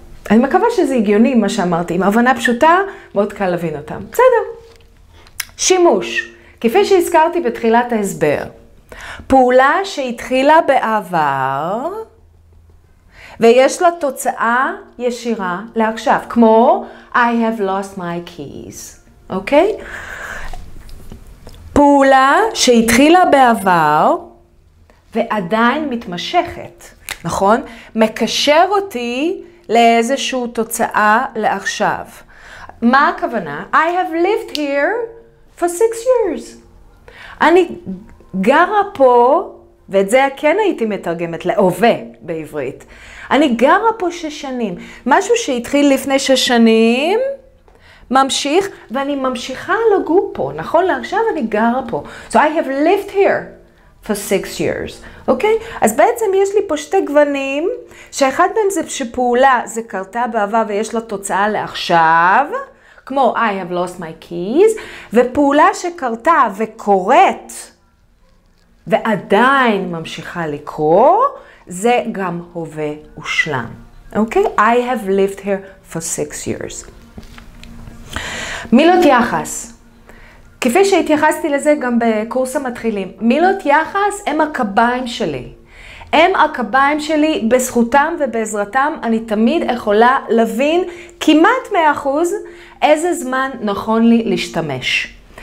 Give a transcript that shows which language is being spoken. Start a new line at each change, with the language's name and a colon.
Hebrew: אני מקווה שזה הגיוני מה שאמרתי. עם הבנה פשוטה, מאוד קל להבין אותם. בסדר. שימוש. כפי שהזכרתי בתחילת ההסבר. פעולה שהתחילה בעבר, ויש לה תוצאה ישירה לעכשיו.
English: כמו, I have lost my keys.
Hebrew: אוקיי? פעולה שהתחילה בעבר ועדיין מתמשכת, נכון? מקשר אותי לאיזשהו תוצאה לעכשיו. מה הכוונה?
English: I have lived here for 6 years.
Hebrew: אני גרה פה, ואת זה כן הייתי מתרגמת, להווה בעברית. אני גרה פה 6 שנים. משהו שהתחיל לפני 6 שנים... ממשיך, ואני ממשיכה לגור פה, נכון? לעכשיו אני גרה פה.
English: So I have lived here for 6 years, אוקיי?
Hebrew: אז בעצם יש לי פה שתי גוונים, שאחד מהם זה שפעולה, זה קרתה בעבר ויש לה תוצאה לעכשיו, כמו
English: I have lost my keys,
Hebrew: ופעולה שקרתה וקורית, ועדיין ממשיכה לקרוא, זה גם הווה ושלם, אוקיי?
English: I have lived here for 6 years.
Hebrew: מילות יחס, כפי שהתייחסתי לזה גם בקורס המתחילים, מילות יחס הם הקביים שלי, הם הקביים שלי, בזכותם ובעזרתם אני תמיד יכולה להבין כמעט 100% איזה זמן נכון לי להשתמש.